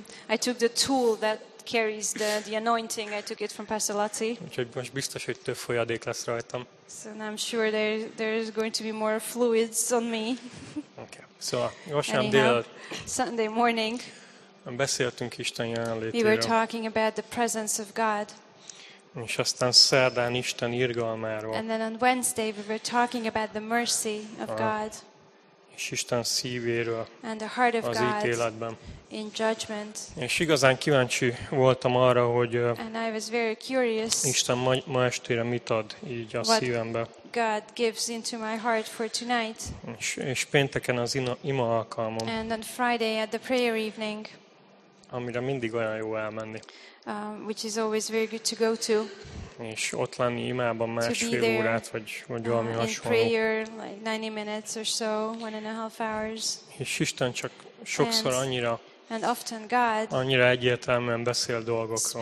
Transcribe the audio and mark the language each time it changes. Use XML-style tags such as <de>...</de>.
<en>I took the tool that carries the anointing. I took it from Pastor Laci.</en> <hu>Úgyhogy most biztos, hogy több folyadék lesz rajtam.</hu> <en>So now I'm sure there is going to be more fluids on me. Okay. So,</en> <hu>vasárnap délelőtt.</hu> <en>Sunday morning.</en> <hu>Beszéltünk Isten jelenlétéről.</hu> <en>We were talking about the presence of God.</en> <hu>És aztán szerdán Isten irgalmáról.</hu> <en>And then on Wednesday we were talking about the mercy of God.</en> <hu>És Isten szívéről.</hu> <en>And the heart of</en> <hu>az</hu> <en>God.</en> <hu>Az ítéletben.</hu> <en>In judgment.</en> <hu>És igazán kíváncsi voltam arra, hogy.</hu> <en>And I was very curious.</en> <hu>Isten ma estére mit ad így a szívembe.</hu> <en>God gives into my heart for tonight.</en> <hu>És pénteken az ima alkalmam.</hu> <en>And on Friday at the prayer evening.</en> <hu>Amire mindig olyan jó elmenni.</hu> <en>Which is always very good to go to.</en> <hu>És ott lenni imában másfél órát, vagy valami hasonló.</hu> <en>In prayer, like 90 minutes or so, 1.5 hours.</en> <hu>És Isten csak sokszor annyira</hu> <en>And often God</en> <hu>annyira egyértelműen beszél dolgokról.</hu>